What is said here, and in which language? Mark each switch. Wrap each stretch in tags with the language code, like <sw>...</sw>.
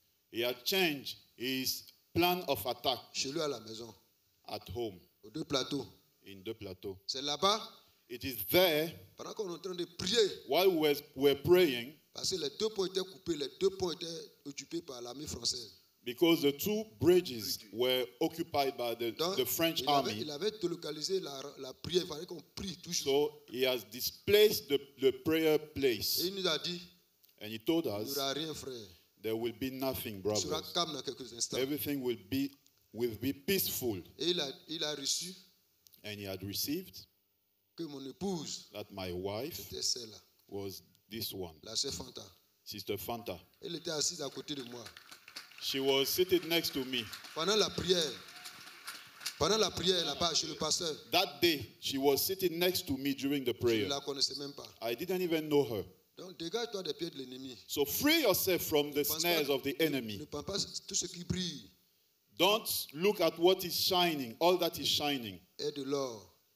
<en>He had changed his plan of attack.</en> <fr>Chez lui à la maison.</fr> <en>At home.</en> <fr>Aux deux plateaux.</fr> <en>In deux plateaux.</en> <fr>C'est là-bas.</fr> <en>It is there.</en> <fr>Pendant qu'on est en train de prier.</fr> <en>While we were praying.</en> <fr>Parce que les deux ponts étaient coupés, les deux ponts étaient occupés par l'armée française.</fr> <en>Because the two bridges were occupied by the French army.</en> <fr>Il avait délocalisé la prière, il fallait qu'on prie toujours.</fr> <en>So he has displaced the prayer place.</en> <fr>Et il nous a dit.</fr> <en>And he told us.</en> <fr>Il n'y aura rien, frère.</fr> <en>There will be nothing, brothers. Everything will be peaceful.</en> <fr>Il a reçu</fr> <en>and he had received</en> <fr>que mon épouse</fr> <en>that my wife was this one.</en> <fr>La sœur Fanta.</fr> <en>Sister Fanta.</en> <fr>Elle était assise à côté de moi.</fr> <en>She was seated next to me.</en> <fr>Pendant la prière. Pendant la prière là-bas chez le pasteur.</fr> <en>That day, she was sitting next to me during the prayer.</en> <fr>Je ne la connaissais même pas.</fr> <en>I didn't even know her.</en> <fr>Donc dégage-toi des pieds de l'ennemi.</fr> <en>So free yourself from the snares of the enemy.</en> <fr>Ne prends pas tout ce qui brille.</fr> <en>Don't look at what is shining, all that is shining.</en> <fr>Et de l'or.</fr>